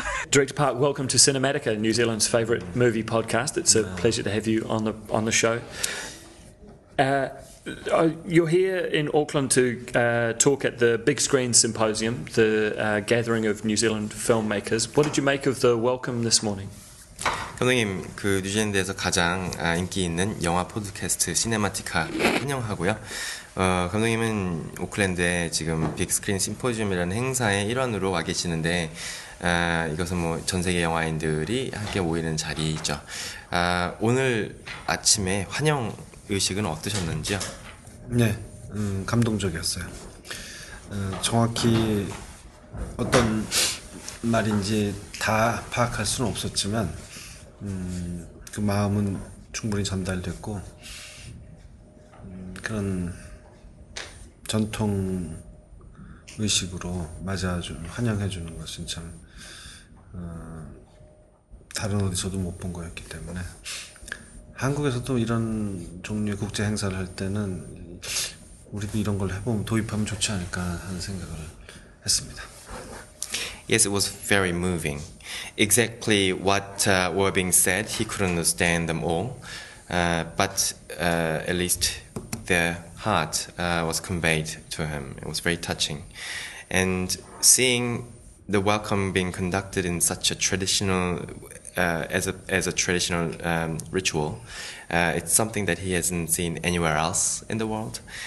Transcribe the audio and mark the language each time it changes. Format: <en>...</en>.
<en>Director Park, welcome to Cinematica, New Zealand's favourite movie podcast. It's a pleasure to have you on the show. You're here in Auckland to talk at the Big Screen Symposium, the gathering of New Zealand filmmakers. What did you make of the welcome this morning?</en> <ko>감독님, 그 뉴질랜드에서 가장 인기 있는 영화 포드캐스트 시네마티카 환영하고요. 감독님은 오클랜드에 지금 빅스크린 심포지엄이라는 행사의 일환으로 와 계시는데, 이것은 뭐 전 세계 영화인들이 함께 모이는 자리이죠. 오늘 아침에 환영 의식은 어떠셨는지요? 네, 감동적이었어요. 정확히 어떤 말인지 다 파악할 수는 없었지만, 그 마음은 충분히 전달됐고, 그런 전통 의식으로 환영해 주는 것은 참, 다른 어디서도 못 본 거였기 때문에, 한국에서도 이런 종류의 국제 행사를 할 때는 우리도 이런 걸 해보면 도입하면 좋지 않을까 하는 생각을 했습니다.</ko> <en>Yes, it was very moving. Exactly what were being said, he couldn't understand them all, but at least their heart was conveyed to him. It was very touching. And seeing the welcome being conducted in such a traditional, traditional ritual, it's something that he hasn't seen anywhere else in the world.</en>